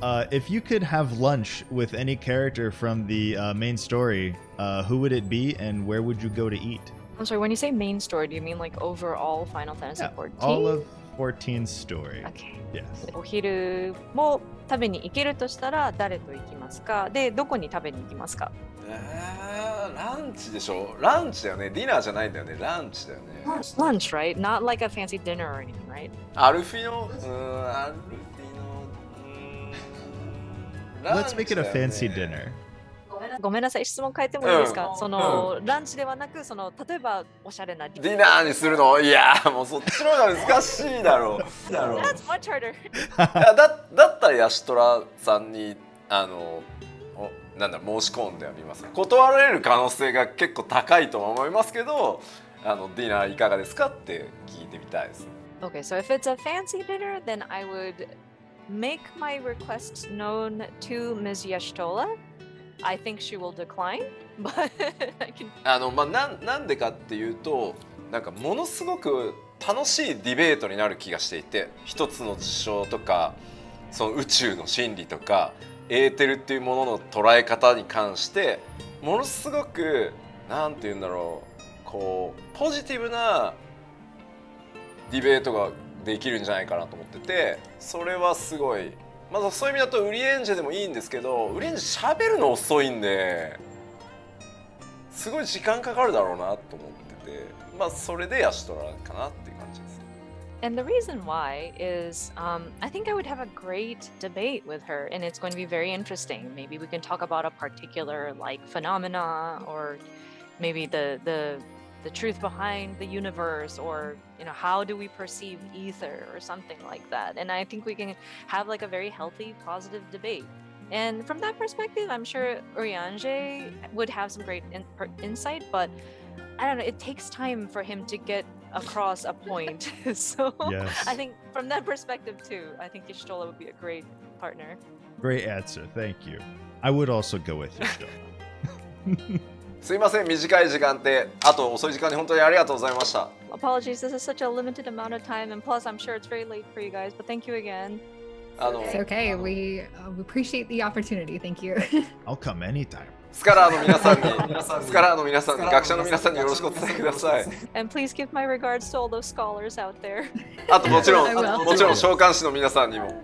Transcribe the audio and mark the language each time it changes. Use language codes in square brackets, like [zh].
[en] if you could have lunch with any character from the main story, who would it be and where would you go to eat? I'm sorry, when you say main story, do you mean like overall Final Fantasy XIV? Yeah, all of 14's story. Okay. Yes. [ja] お昼も食べに行けるとしたら誰と行きますか? で、どこに食べに行きますか? ランチでしょ?ランチだよね。ディナーじゃないんだよね。ランチだよね。ランチ、 [en] right? Not like a fancy dinner or anything, right? [ja] アルフィノ、アルフィノ、ランチ。 [en] Let's make it a fancy dinner. [ja] ごめんなさい、質問変えてもいいですか、うん、その、うん、ランチではなく、その例えばおしゃれなディナーにするの、いやもうそっちの方が難しいだろう。だろう [en] That's much harder. [ja] だったらヤシトラさんにあのなんだ申し込んでみます。断られる可能性が結構高いと思いますけど、あのディナーいかがですかって聞いてみたいです。 [en] Okay, so if it's a fancy dinner, then I would make my request known to Ms. Yashitola. I think she will decline, but I can... [ja] あの、まあ、なんでかっていうと、なんかものすごく楽しいディベートになる気がしていて、一つの事象とかその宇宙の真理とかエーテルっていうものの捉え方に関してものすごくなんて言うんだろう、こうポジティブなディベートができるんじゃないかなと思ってて、それはすごい、まあ、そういう意味だとウリエンジェでもいいんですけど、ウリエンジェ喋るの遅いんですごい時間かかるだろうなと思ってて、まあ、それでヤシトラかなっていう感じです。 [en] And the reason why is、I think I would have a great debate with her and it's going to be very interesting. Maybe we can talk about a particular like phenomena or maybe the truth behind the universe or you know how do we perceive ether or something like that, and I think we can have like a very healthy positive debate, and from that perspective I'm sure Uriange would have some great insight, but I don't know, it takes time for him to get across a point. So yes. I think from that perspective too, I think Yashitola would be a great partner. Great answer, thank you. I would also go with Yashitola. [ja] すいません、短い時間で、あと遅い時間に本当にありがとうございました。 [en] Apologies, this is such a limited amount of time, and plus I'm sure it's very late for you guys, but thank you again. It's okay, we appreciate the opportunity, thank you. I'll come anytime. [ja] スカラーの皆さんに、スカラーの皆さんに、学者の皆さんによろしくお伝えください。 [en] And please give my regards to all those scholars out there. [ja] あともちろん、もちろん召喚師の皆さんにも。